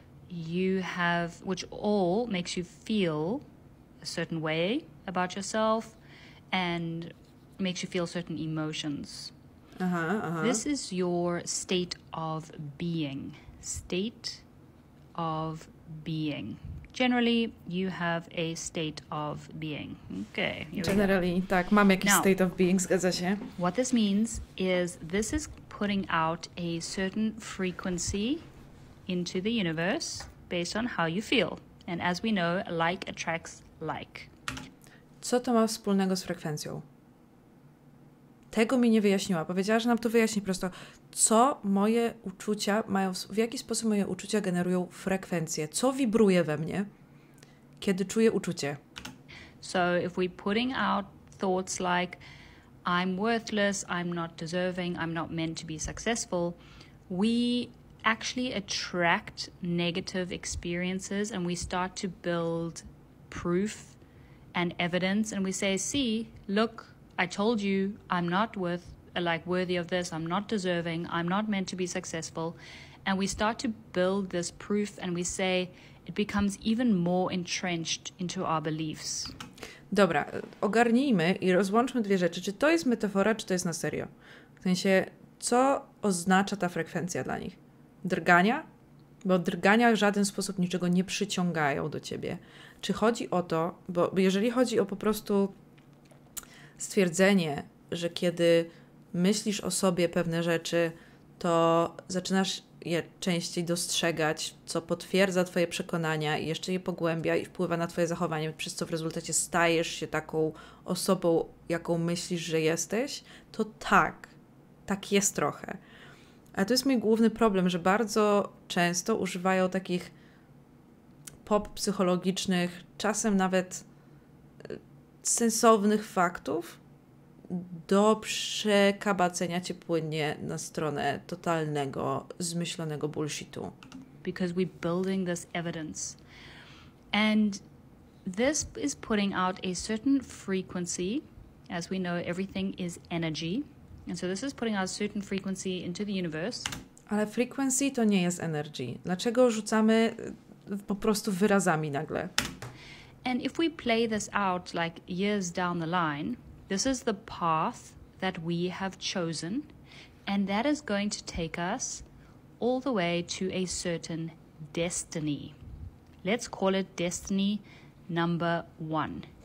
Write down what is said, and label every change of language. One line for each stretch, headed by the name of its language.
English: You have, which all makes you feel a certain way about yourself and makes you feel certain emotions. This is your state of being. State of being. Generally, you have a state of being. Okay. Generally,
Polish: tak, mam jakiś
English: state of being,
Polish: zgadza się.
English: What this means is this is putting out a certain frequency into the universe based on how you feel. And as we know, like attracts like.
Polish: Co to ma wspólnego z frekwencją? Tego mi nie wyjaśniła. Powiedziała, że nam to wyjaśni prosto. Co moje uczucia mają, w jaki sposób moje uczucia generują frekwencje? Co wibruje we mnie, kiedy czuję uczucie?
English: So if we're putting out thoughts like I'm worthless, I'm not deserving, I'm not meant to be successful, we actually attract negative experiences and we start to build proof and evidence and we say, see, look, I told you I'm not worth, like worthy of this, I'm not deserving, I'm not meant to be successful. And we start to build this proof and we say it becomes even more entrenched into our beliefs.
Polish: Dobra, ogarnijmy i rozłączmy dwie rzeczy. Czy to jest metafora, czy to jest na serio? W sensie, co oznacza ta frekwencja dla nich? Drgania? Bo drgania w żaden sposób niczego nie przyciągają do ciebie. Czy chodzi o to, bo jeżeli chodzi o po prostu stwierdzenie, że kiedy myślisz o sobie pewne rzeczy, to zaczynasz je częściej dostrzegać, co potwierdza twoje przekonania i jeszcze je pogłębia i wpływa na twoje zachowanie, przez co w rezultacie stajesz się taką osobą, jaką myślisz, że jesteś, to tak, tak jest trochę. A to jest mój główny problem, że bardzo często używają takich pop psychologicznych, czasem nawet sensownych faktów do przekabacenia cię płynnie na stronę totalnego, zmyślonego bullshitu.
English: Because we're building this evidence. And this is putting out a certain frequency. As we know, everything is energy. And so this is putting out a certain frequency into the universe.
Polish: Ale frequency to nie jest energy. Dlaczego rzucamy po prostu wyrazami nagle?
English: And if we play this out like years down the line, this is the path that we have chosen, and that is going to take us all the way to a certain destiny. Let's call it destiny number one.